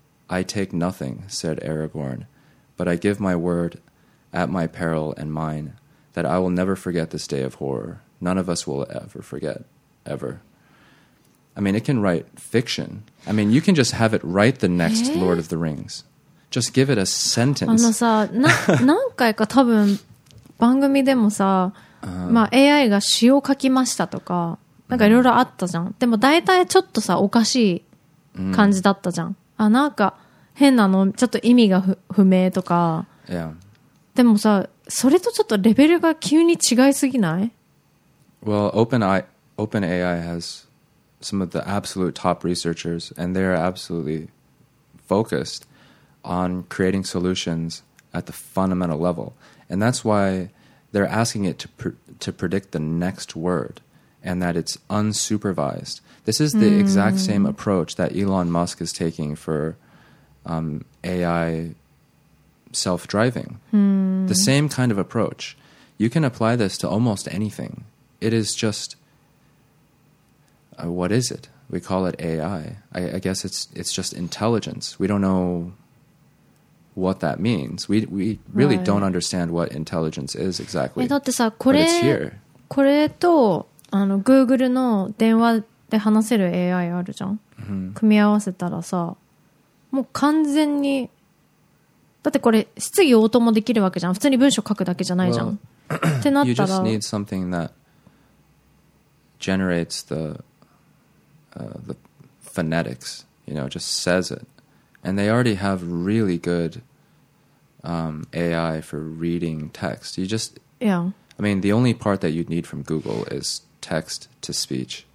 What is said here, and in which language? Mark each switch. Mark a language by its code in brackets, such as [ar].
[en] I take nothing, said Aragorn, but I give my word, at my peril and mine, that I will never forget this day of horror. None of us will ever forget, ever. I mean, it can write fiction. I mean, you can just have it write the next Lord of the Rings. Just give it a sentence. [ja] あのさ、何回か多分番組でもさ、まあ AI が詩を書きましたとか、なんかいろいろあったじゃん。でも大体ちょっとさ、おかしい感じだったじゃん。あ、なんか変なの、ちょっと意味が不明とか。 [en] Yeah. [ja] でもさ、それとちょっとレベルが急に違いすぎない? [en] Well, OpenAI has... some of the absolute top researchers, and they're absolutely focused on creating solutions at the fundamental level. And that's why they're asking it to predict the next word and that it's unsupervised. This is the exact same approach that Elon Musk is taking for AI self-driving. The same kind of approach. You can apply this to almost anything. It is justWhat is it? We call it AI. I guess it's just intelligence. We don't know what that means. We really right. don't understand what intelligence is exactly. [ja] だってさ、これ、 [en] But it's here. [ja] これとあの Google の電話で話せる AI あるじゃん。組み合わせたらさ、もう完全に、だってこれ質疑応答もできるわけじゃん。普通に文章書くだけじゃないじゃん。 [en] Well, [ja] ってなったら、 [en] You just need something that generates the phonetics, you know, just says it. And they already have really good AI for reading text. You just... Yeah. I mean, the only part that you'd need from Google is text to speech.